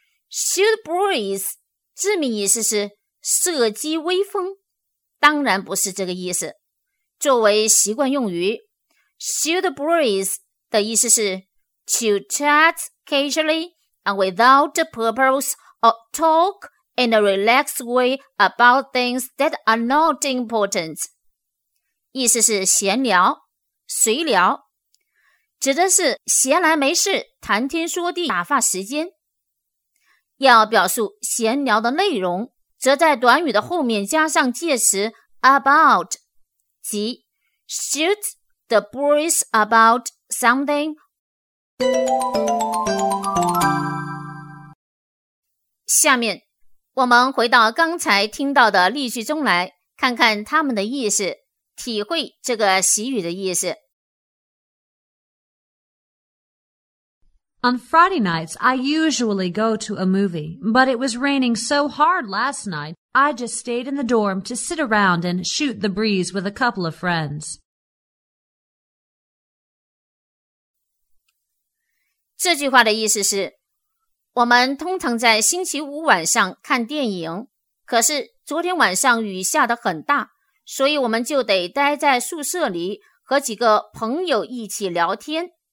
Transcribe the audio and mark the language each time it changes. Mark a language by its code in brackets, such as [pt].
[zh] Shoot breeze, 字面意思是射击微风，当然不是这个意思。作为习惯用语， [en] shoot breeze [zh] 的意思是 [en] to chat casually and without purpose or talk in a relaxed way about things that are not important. [zh] 意思是闲聊、随聊，指的是闲来没事谈天说地打发时间。要表述闲聊的内容，则在短语的后面加上介词 about， 即 shoot the breeze about something。下面我们回到刚才听到的例句中来看看它们的意思，体会这个习语的意思。 [en] On Friday nights, I usually go to a movie, but it was raining so hard last night, I just stayed in the dorm to sit around and shoot the breeze with a couple of friends. [zh] 这句话的意思是，我们通常在星期五晚上看电影，可是昨天晚上雨下得很大，所以我们就得待在宿舍里和几个朋友一起聊天。